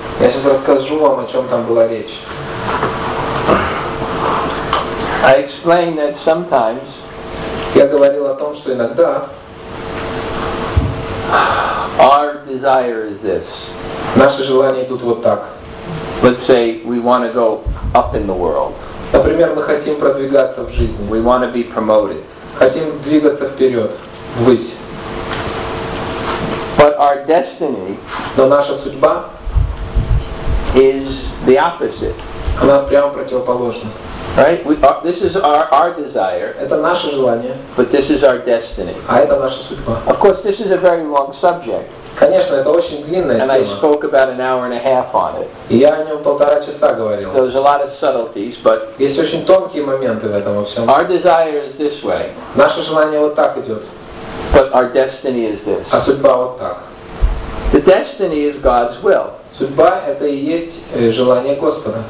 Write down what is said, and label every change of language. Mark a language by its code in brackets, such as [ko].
[ru] Я сейчас расскажу вам, о чем там была речь. [en] I explained that sometimes... [ru] Я говорил о том, что иногда... [en] Our desire is this. [ru] Наши желания идут вот так. [en] Let's say we want to go up in the world. [ru] Например, мы хотим продвигаться в жизни. [en] We want to be promoted. [ru] Хотим двигаться вперед, ввысь. [en] But our destiny, [ru] но наша судьба, [en] is the opposite. [ru] Она прямо противоположна. [en] Right? This is our desire. [ru] Это наше желание. [en] But this is our destiny. [ru] А это наша судьба. [en] Of course, this is a very long subject. [ru] Конечно, это очень длинная [en] and [ru] тема. [en] And I spoke about an hour and a half on it. [ru] И я о нем полтора часа говорил. [en] So there's a lot of subtleties, but [ru] есть очень тонкие моменты в этом во всем. [en] Our desire is this way. [ru] Наше желание вот так идет. [en] But our destiny is this. [ru] А судьба вот так. [en] The destiny is God's will. [ru] Судьба — это и есть желание Господа.